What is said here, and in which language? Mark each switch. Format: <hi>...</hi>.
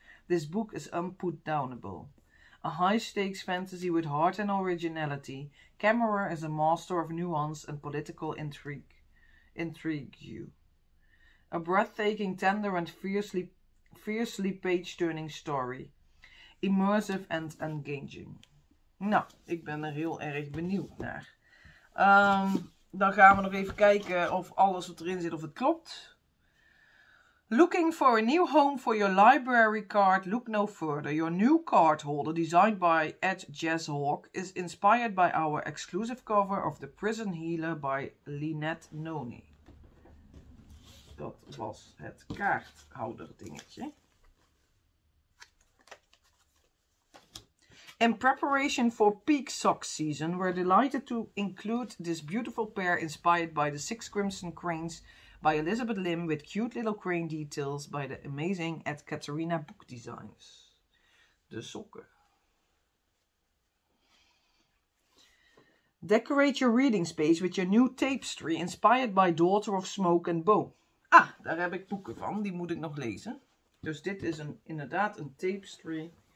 <en>This book is unputdownable. A high-stakes fantasy with heart and originality, Cameron is a master of nuance and political intrigue. A breathtaking, tender and fiercely page-turning story. Immersive and engaging.</en> <nl>Nou, ik ben er heel erg benieuwd naar. Dan gaan we nog even kijken of alles wat erin zit, of het klopt.</nl> <en>Looking for a new home for your library card? Look no further. Your new card holder, designed by Ed Jazzhawk, is inspired by our exclusive cover of The Prison Healer by Lynette Noni.</en> <nl>Dat was het kaarthouder dingetje.</nl> <en>In preparation for peak sock season, we're delighted to include this beautiful pair inspired by the Six Crimson Cranes by Elizabeth Lim with cute little crane details by the amazing Ed Katerina Book Designs.</en> <nl>De sokken.</nl> <en>Decorate your reading space with your new tapestry inspired by Daughter of Smoke and Bow.</en> <nl>Ah, daar heb ik boeken van, die moet ik nog lezen. Dus dit is inderdaad een tapestry.</nl>